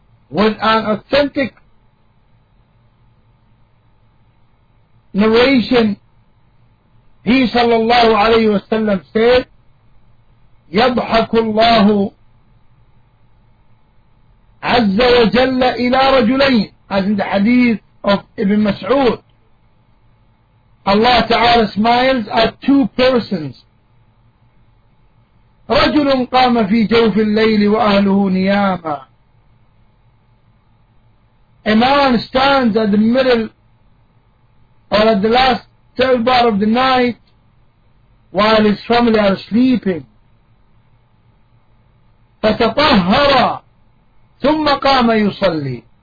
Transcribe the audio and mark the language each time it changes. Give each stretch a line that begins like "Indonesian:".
English: with an authentic narration, he sallallahu alayhi wa sallam said,
Arabic: يَضْحَكُ اللَّهُ عز وجل إلى رجلين,
English: as in the hadith of Ibn Mas'ud. Allah Ta'ala smiles at two persons.
Arabic: رجل قام في جوف الليل وأهله نياما.
English: A man stands at the middle or at the last third part of the night while his family are sleeping.
Arabic: فتطهر ثم قام يصلي.